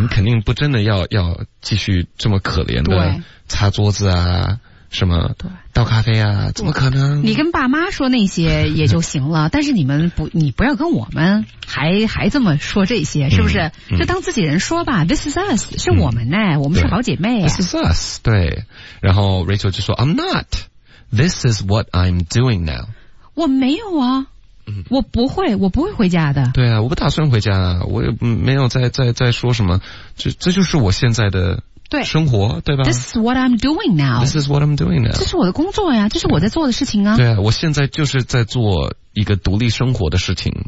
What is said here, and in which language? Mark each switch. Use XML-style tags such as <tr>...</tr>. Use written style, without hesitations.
<zh>你肯定不真的要继续这么可怜的擦桌子啊什么倒咖啡啊怎么可能你跟爸妈说那些也就行了但是你不要跟我们还这么说这些是不是就当自己人说吧</zh> <en>This is us</en> <zh>是我们呢我们是好姐妹</zh> <en>This is us</en> <zh>对然后</zh> <en>Rachel</en> <zh>就说</zh> <en>I'm not This is what I'm doing now</en> <zh>我没有啊，我不会，我不会回家的。对啊，我不打算回家，我也没有在说什么，这就是我现在的生活， 对吧？</zh> <en>This is what I'm doing now. This is what I'm doing now.</en> <zh>这是我的工作呀，这是我在做的事情啊。对啊，我现在就是在做一个独立生活的事情。</zh>